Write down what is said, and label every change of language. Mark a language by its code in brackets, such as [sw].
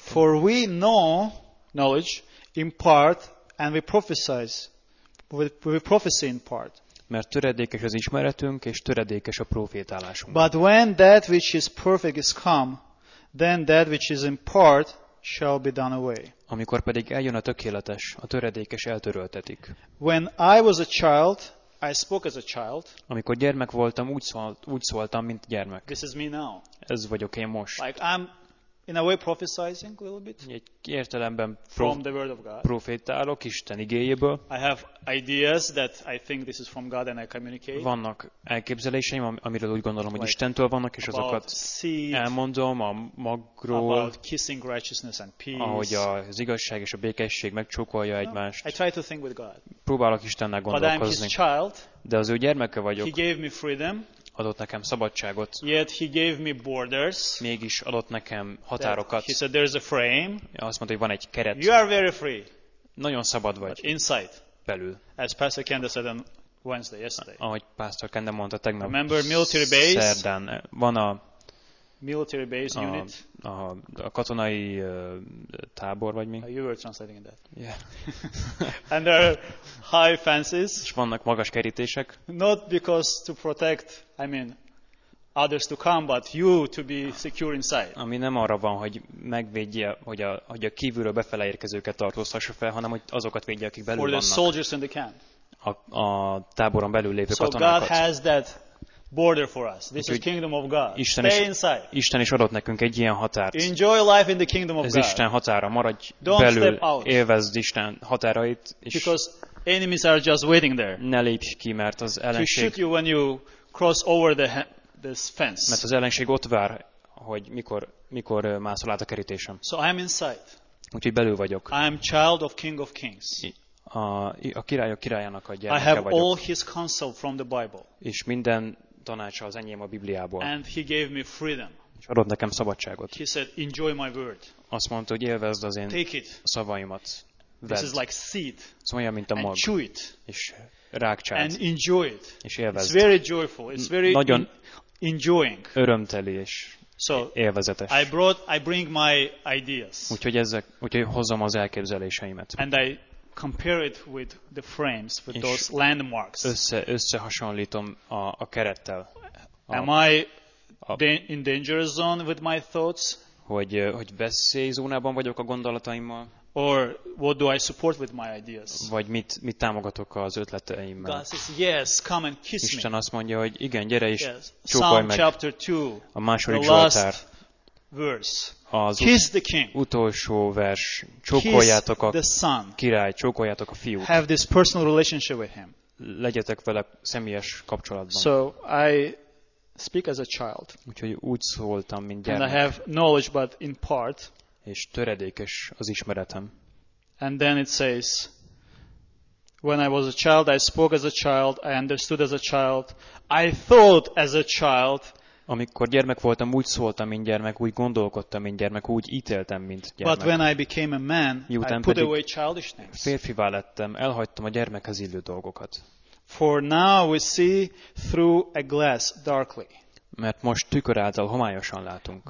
[en] For we know knowledge in part and we prophesy with prophecy in part. [hu] Mert töredékes az ismeretünk és töredékes a prófétálásunk. [en] But when that which is perfect is come, then that which is in part shall be done away. [hu] Amikor pedig eljön a tökéletes, a töredékes eltöröltetik. [en] When I was a child, I spoke as a child. [hu] Amikor gyermek voltam, úgy szóltam, mint gyermek. [en] This is me now. [hu] Ez vagyok én most. [en] Like I'm in a way prophesizing a little bit. [hu] Egy értelemben [en] from the word of God. [hu] Profétálok Isten igéjéből. [en] I have ideas that I think this is from God and I communicate. [hu] Vannak elképzeléseim, amiről úgy gondolom, hogy Istentől vannak, és azokat elmondom a magról. [en] About kissing righteousness and peace. [hu] Ahogy az igazság és a békesség megcsókolja egymást. [en] I try to think with God. [hu] Próbálok Istennel gondolkozni. [en] But I'm his child. [hu] De az ő gyermeke vagyok. [en] He gave me freedom. [hu] Adott nekem szabadságot. [en] Yet he gave me borders. [hu] Mégis adott nekem határokat. [en] He said there's a frame. [hu] Azt mondta, hogy van egy keret. [en] You are very free. [hu] Nagyon szabad vagy. [en] But inside. [hu] Belül. [en] As Pastor Kenda said on Wednesday, yesterday. [hu] Ahogy Pastor Kenda mondta tegnap. [en] Remember military base. [hu] Szerdán. Van a [en] military base a, unit. [hu] A katonai tábor vagy mi? [en] You were translating that. Yeah. And there are high fences. [hu] És vannak magas kerítések. [en] Not because to protect, I mean, others to come, but you to be secure inside. [hu] Ami nem arra van, hogy megvédje, hogy a kívülről befele érkezőket tartóztassa fel, hanem hogy azokat védje, akik belül [en] for [hu] vannak. [en] For the soldiers in the camp. [hu] A táboron belül lévő [en] so [hu] katonákat. [en] So God has that border for us. This is kingdom of God. Stay inside. [hu] Isten is adott nekünk egy ilyen határt. [en] Enjoy life in the kingdom of God. [hu] Ez Isten határa. Maradj [en] don't [hu] belül, [en] step out. [hu] Élvezd Isten határait. És [en] because enemies are just waiting there. [hu] Ne lépj ki, mert az ellenség. [en] To shoot you when you cross over this fence. [hu] Mert az ellenség ott vár, hogy mikor mászol át a kerítésem. [en] So I'm inside. [hu] Úgyhogy belül vagyok. [en] I'm child of King of Kings. [hu] A királyok királyának a gyermeke [en] I have [hu] vagyok. [en] All his counsel from the Bible. [hu] És minden tanácsa az enyém a Bibliából. [en] And he gave me freedom. [hu] És adott nekem szabadságot. [en] He said, enjoy my word. [hu] Azt mondta, hogy élvezd az én [en] take it. [hu] Szavaimat. Vedd. [en] This is like seed. [hu] Szóval, mint a mag. [en] And chew it. [hu] És rágcsált. [en] And enjoy it. [hu] És élvezd. [en] It's very joyful. It's very [hu] nagyon [en] enjoying. [hu] Örömteli és [en] so, [hu] élvezetes. [en] I bring my ideas. [hu] Úgyhogy ezek, úgyhogy hozom az elképzeléseimet. [en] And I compare it with the frames with those landmarks. [hu] Összehasonlítom a kerettel. [en] Am I in danger zone with my thoughts? [hu] Hogy veszélyzónában vagyok a gondolataimmal? [en] Or what do I support with my ideas? [hu] Vagy mit támogatok az ötleteimmel? [en] God says, yes, come and kiss me. [hu] Isten azt mondja, hogy igen, gyere és [en] yes. [hu] Csókolj meg. [en] Psalm chapter 2. [hu] A második zsoltár. [en] Verse. Kiss the king. [hu] Utolsó vers. Csókoljátok a király, csókoljátok a fiút. [en] Have this personal relationship with him. [hu] Legyetek vele személyes kapcsolatban. [en] So I speak as a child. [hu] Úgyhogy úgy szóltam, mint gyermek. [en] And I have knowledge, but in part. [hu] És töredékes az ismeretem. [en] And then it says, when I was a child, I spoke as a child, I understood as a child, I thought as a child. [hu] Amikor gyermek voltam, úgy szóltam, mint gyermek, úgy gondolkodtam, mint gyermek, úgy ítéltem, mint gyermek. [en] But when I became a man, [hu] miután [en] I put away childishness. [hu] Férfivá lettem, elhagytam a gyermekhez illő dolgokat. [en] For now we see through a glass darkly. [hu] Mert most tükör által homályosan látunk.